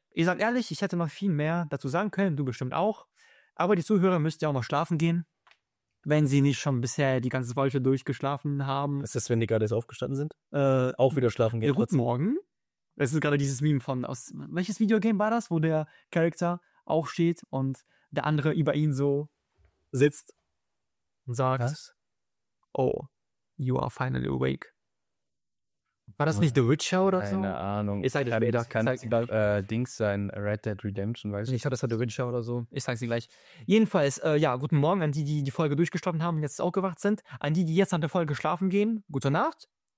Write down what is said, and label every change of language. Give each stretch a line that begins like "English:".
German: Ihr seid ehrlich, ich hätte noch viel mehr dazu sagen können, du bestimmt auch. Aber die Zuhörer müsst ja auch noch schlafen gehen, wenn sie nicht schon bisher die ganze Wolke durchgeschlafen haben. Ist das, wenn die gerade jetzt aufgestanden sind? Auch wieder schlafen gehen. Guten Morgen. Es ist gerade dieses Meme von, aus welches Videogame war das, wo der Charakter auch steht und der andere über ihn so sitzt und sagt, was?
English: Oh, you are finally awake.
German: War das nicht The Witcher oder keine so? Keine Ahnung. Ich sag dir später. Kann Dings sein, Red Dead Redemption, weiß ich nicht. Ich dachte, das war The Witcher oder so. Ich sag's dir gleich. Jedenfalls, ja, guten Morgen an die, die die Folge durchgestorben haben und jetzt aufgewacht sind. An die, die jetzt an der Folge schlafen gehen, gute Nacht.